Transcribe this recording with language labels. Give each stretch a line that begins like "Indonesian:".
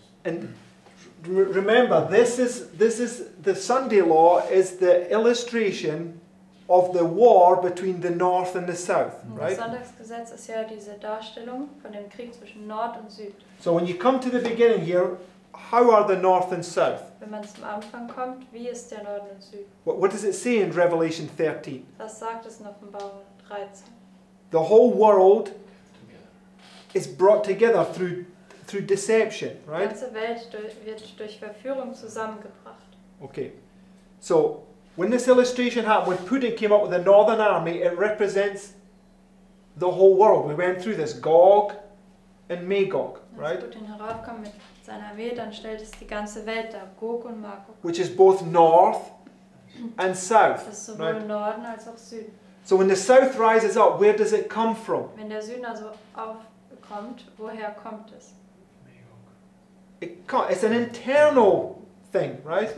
English: And remember, this is the Sunday law is the illustration of the war between the north and the south, right?
German: Das Sonntagsgesetz ist ja diese Darstellung von dem Krieg zwischen Nord und Süd.
English: So when you come to the beginning here, how are the north and south?
German: Wenn man zum Anfang kommt, wie ist der Norden und Süd?
English: What does it say in Revelation 13?
German: Was sagt es in Offenbarung 13?
English: The whole world is brought together through deception, right?
German: Die ganze Welt wird durch Verführung zusammengebracht.
English: Okay. So, when this illustration happened, when Putin came up with the Northern Army, it represents the whole world. We went through this, Gog and Magog, right?
German: Als Putin heraufkam mit seiner Armee, dann stellt es die ganze Welt dar, Gog und Magog.
English: Which is both north and south,
German: das ist sowohl
English: right?
German: Norden als auch Süden.
English: So when the south rises up, where does it come from?
German: Wenn der Süden also auf kommt, woher kommt es?
English: It's an internal thing, right?